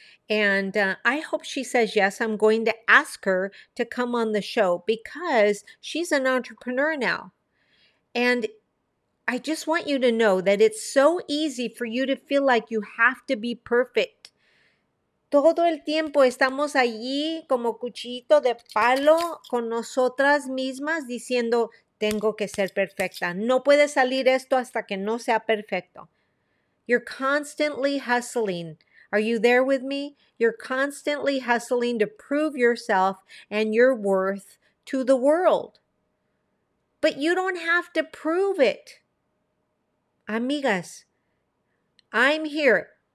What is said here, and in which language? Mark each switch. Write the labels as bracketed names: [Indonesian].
[English] And I hope she says yes. I'm going to ask her to come on the show because she's an entrepreneur now. And I just want you to know that it's so easy for you to feel like you have to be perfect. [Spanish] Todo el tiempo estamos allí como cuchito de palo con nosotras mismas diciendo, tengo que ser perfecta. No puede salir esto hasta que no sea perfecto. [English] You're constantly hustling. Are you there with me? You're constantly hustling to prove yourself and your worth to the world. But you don't have to prove it. Amigas, I'm here.